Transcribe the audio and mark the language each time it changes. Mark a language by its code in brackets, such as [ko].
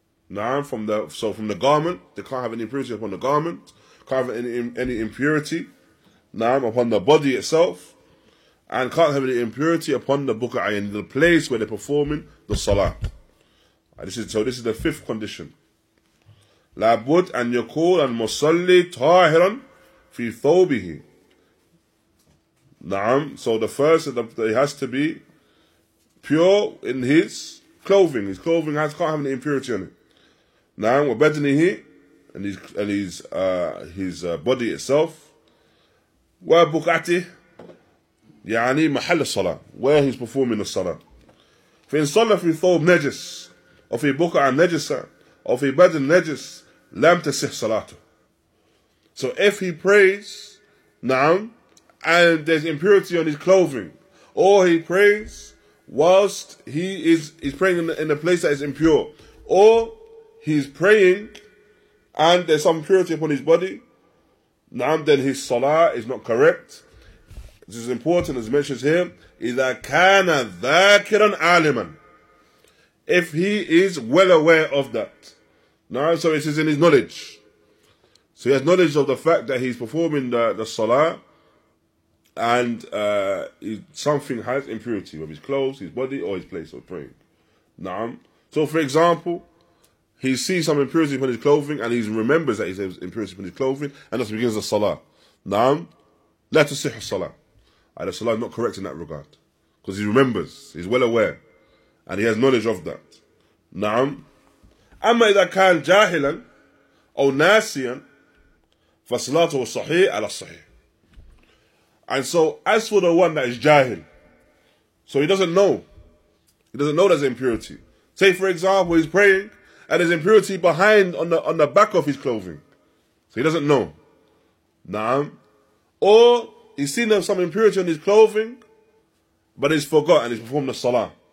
[en] Na'am, from the garment. They can't have any impurity upon the garment. Can't have any impurity. Na'am, upon the body itself. And can't have any impurity upon the buk'ah, in the place where they're performing the salah. This is the fifth condition. [ar] لابد أن يكون المصلي طاهرا في ثوبه. نعم. [en] So the first is that he has to be pure in his clothing. His clothing can't have any impurity on it. نعم. وبدنه, and his body itself. [ar] وبقعته, يعني محل الصلاة, [en] where he's performing the salah. [ar] فإن صلى في ثوب نجس, أو في بقعة نجسة, أو في بدن نجس, لم تصح صلاته. [en] So if he prays, نعم, and there's impurity on his clothing, or he prays whilst he's praying in a place that is impure, or he's praying and there's some impurity upon his body, نعم, then his salah is not correct. This is important, as mentions here, [ar] إذا كان ذاكرا عالما. [en] If he is well aware of that. No, so it is in his knowledge. So he has knowledge of the fact that he's performing the salah, and something has impurity, whether his clothes, his body, or his place of praying. Na'am. So for example, he sees some impurity upon his clothing, and he remembers that he has impurity upon his clothing, and thus begins the salah. Na'am. [ar] La tusihhu salah. [en] And the salah is not correct in that regard. Because he remembers, he's well aware, and he has knowledge of that. Na'am. [ar] أما إذا كان جاهلا أو ناسيا فصلاته صحيح على الصحيح. [en] And so as for the one that is jahil, so he doesn't know there's impurity. Say for example, he's praying and there's impurity behind on the back of his clothing, so he doesn't know. [ar] نعم. [en] Or he's seen there's some impurity on his clothing, but he's forgot and he's performed the salah.